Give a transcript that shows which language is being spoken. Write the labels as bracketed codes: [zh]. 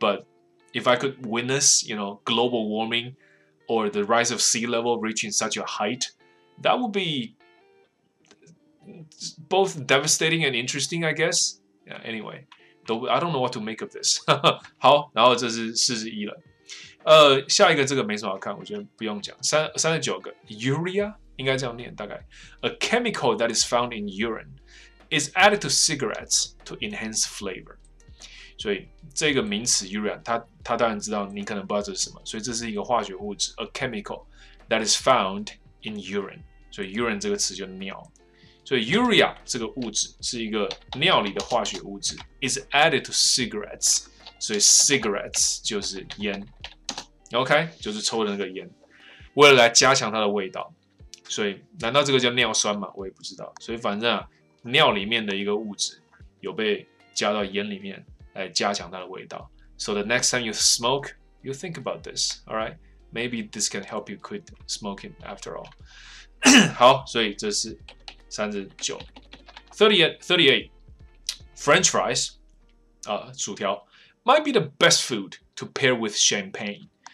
[en] But if I could witness, you know, global warming or the rise of sea level reaching such a height, that would be both devastating and interesting, I guess. Yeah, anyway, though, I don't know what to make of this. [zh] 好，然后这是41了。下一个这个没什么好看，我觉得不用讲。 [en] 39个 urea。 [zh] 应该这样念，大概 [en] ，A chemical that is found in urine is added to cigarettes to enhance flavor。 [zh] 所以这个名词 urea， 他当然知道，你可能不知道这是什么，所以这是一个化学物质 ， [en] A chemical that is found in urine。 [zh] 所以 urine 这个词就是尿，所以 urea 这个物质是一个尿里的化学物质 ， [en] is added to cigarettes。 [zh] 所以 cigarettes 就是烟 ，OK， 就是抽的那个烟，为了来加强它的味道。所以难道这个叫尿酸吗？我也不知道。所以反正啊，尿里面的一个物质有被加到烟里面来加强它的味道。 [en] So the next time you smoke, you think about this, all right? Maybe this can help you quit smoking after all. [zh] 好，所以这是39。 [en] 38, French fries, 薯条 might be the best food to pair with champagne.